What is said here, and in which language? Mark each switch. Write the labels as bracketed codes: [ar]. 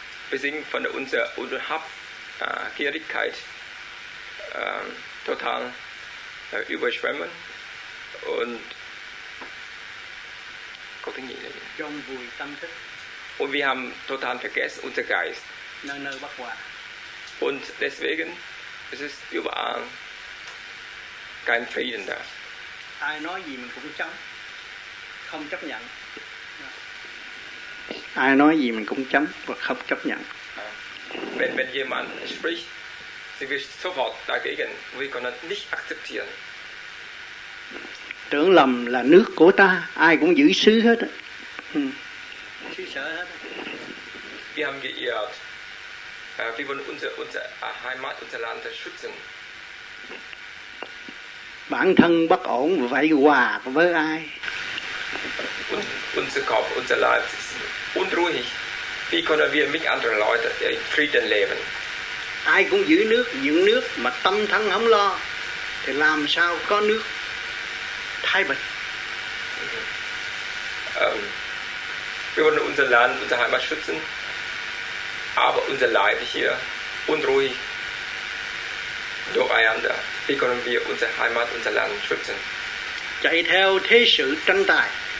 [de] Wir sind von unserer Unhaftgierigkeit total überschwemmen und wir haben total vergessen unser Geist. Und deswegen es ist überall kein Frieden da. [vi] Ai nói gì mình cũng chấm, không chấp nhận. Ai nói gì mình cũng chấm và không chấp nhận. [de] Wenn jemand spricht, sie wird sofort dagegen. Wir können nicht akzeptieren. [vi] Tưởng lầm là nước của ta, ai cũng giữ xứ hết. Xứ sở hết. [de] Wir haben geirrt. Wir wollen unsere Heimat, unser Land schützen. [vi] Bản thân bất ổn vậy hòa với ai? [de] Unser Kopf, unser Leib ist unruhig. Wie können wir mit anderen Leuten in Frieden leben? [vi] Ai cũng giữ nước, những nước mà tâm thân không lo, thì làm sao có nước thái bình? [de] Wir wollen unser Land, unsere Heimat schützen. Aber unser Leib hier unruhig durcheinander. Wie können wir unsere Heimat, unser Land schützen? [vi] Chạy theo thế sự tranh tài,